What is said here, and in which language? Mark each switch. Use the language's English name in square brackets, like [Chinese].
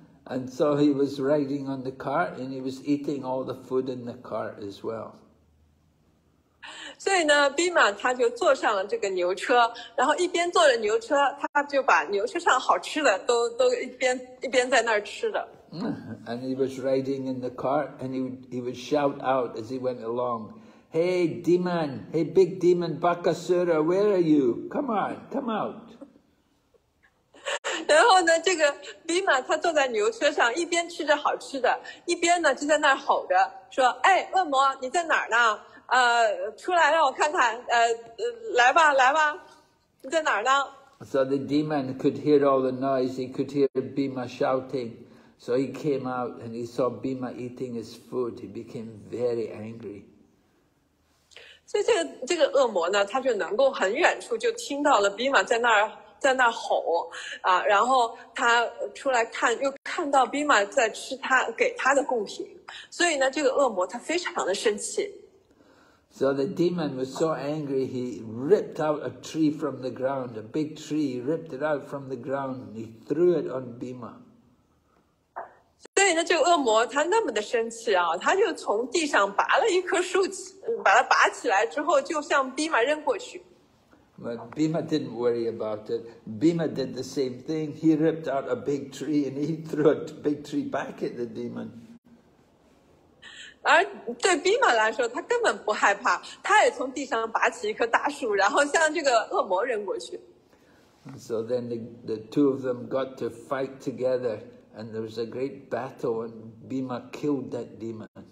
[English] And so he was riding on the cart and he was eating all the food in the cart as well. [Chinese] 所以呢 ,Bhima 他就坐上了这个牛车，然后一边坐着牛车，他就把牛车上好吃的都一边在那儿吃的。 [English] And he was riding in the cart and he would shout out as he went along, hey demon, hey big demon, Bakasura, where are you? Come on, come out. [Chinese] 然后呢这个 Bhima 他坐在牛车上一边吃着好吃的一边呢就在那儿吼着说，哎，恶魔你在哪儿呢，出来让我看看，来吧来吧，你在哪儿呢？ [English] So the demon could hear all the noise, he could hear Bhima shouting. So he came out and he saw Bhima eating his food. He became very angry. So this [Chinese] 恶魔呢，他就能够很远处就听到了 Bhima 在那儿吼啊，然后他出来看，又看到 Bhima 在吃他给他的贡品，所以呢，这个恶魔他非常的生气。 [English] So the demon was so angry, he ripped out a tree from the ground, a big tree. He ripped it out from the ground and he threw it on Bhima. [Chinese] 所以呢，这个恶魔他那么的生气啊，他就从地上拔了一棵树，把它拔起来之后，就向 Bhima 扔过去。 [English] But Bhima didn't worry about it. Bhima did the same thing. He ripped out a big tree and he threw a big tree back at the demon. [Chinese] 而对 Bhima 来说，他根本不害怕，他也从地上拔起一棵大树，然后向这个恶魔扔过去。 [English] So then the two of them got to fight together. And there was a great battle, and Bhima killed that demon.